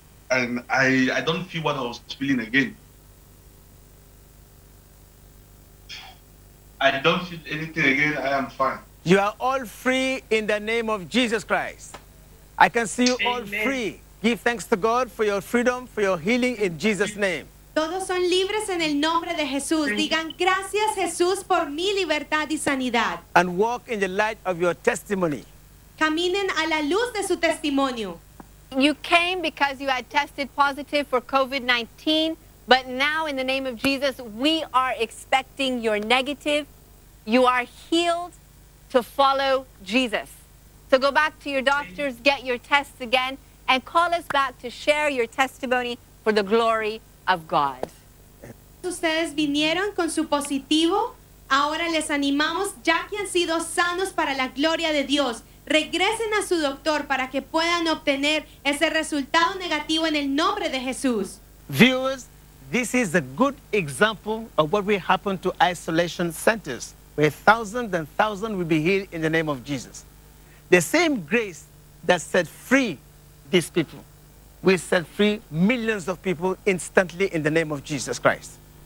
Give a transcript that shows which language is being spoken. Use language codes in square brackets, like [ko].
[en] And I don't feel what I was feeling again. I don't feel anything again. I am fine. You are all free in the name of Jesus Christ. I can see you Amen. All free. Give thanks to God for your freedom, for your healing in Jesus' name. [es] Todos son libres en el nombre de Jesús. Digan gracias, Jesús, por mi libertad y sanidad. [en] And walk in the light of your testimony. [es] Caminen a la luz de su testimonio. [en] You came because you had tested positive for COVID-19. But now, in the name of Jesus, we are expecting your negative. You are healed to follow Jesus. So go back to your doctors, get your tests again, and call us back to share your testimony for the glory of God. [es] Ustedes vinieron con su positivo. Ahora les animamos, ya que han sido sanos para la gloria de Dios. Regresen a su doctor para que puedan obtener ese resultado negativo en el nombre de Jesús. [en] Viewers, this is a good example of what will happen to isolation centers, where thousands and thousands will be healed in the name of Jesus. The same grace that set free these people will set free millions of people instantly in the name of Jesus Christ.